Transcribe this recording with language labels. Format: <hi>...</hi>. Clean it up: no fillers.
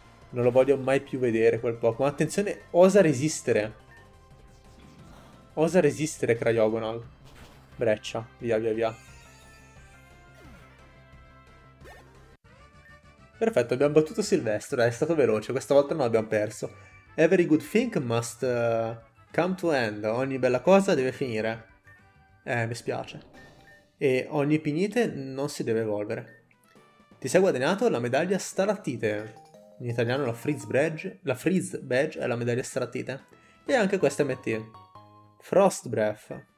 <it>Non lo voglio mai più vedere quel Pokémon. Attenzione, osa resistere. Osa resistere, Cryogonal. Breccia, via, via, via. Perfetto, abbiamo battuto Silvestro. È stato veloce, questa volta non abbiamo perso.</it> <en>Every good thing must come to end.</en> <it>Ogni bella cosa deve finire. Mi spiace. E ogni Pignite non si deve evolvere. Ti sei guadagnato la medaglia Staratite. In italiano la Freeze Badge è la medaglia Staratite. E anche questa MT. Frost Breath.</it>